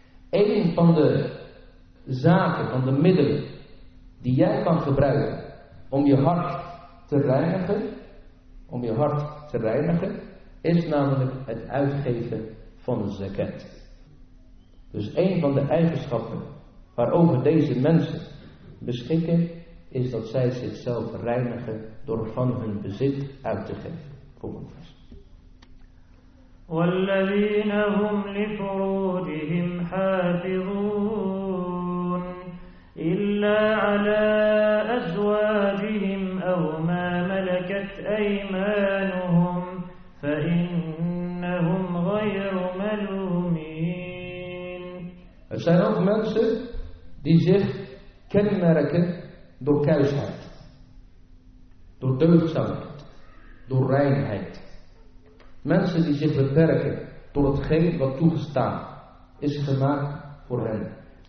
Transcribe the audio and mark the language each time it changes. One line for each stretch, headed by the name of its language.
Dutch: Een van de zaken, van de middelen die jij kan gebruiken om je hart te reinigen, is namelijk het uitgeven van de zakat. Dus een van de eigenschappen waarover deze mensen beschikken, is dat zij zichzelf reinigen door van hun bezit uit te geven. Volgende vers.
Arabic: والذين هم لفروجهم حافظون إلا على أزواجهم أو ما ملكت أيمانهم فإنهم غير ملومين.
Dutch: Er zijn ook mensen die zich kenmerken door kuisheid, door deugdzaamheid, door reinheid. Mensen die zich beperken tot hetgeen wat toegestaan is gemaakt voor hen.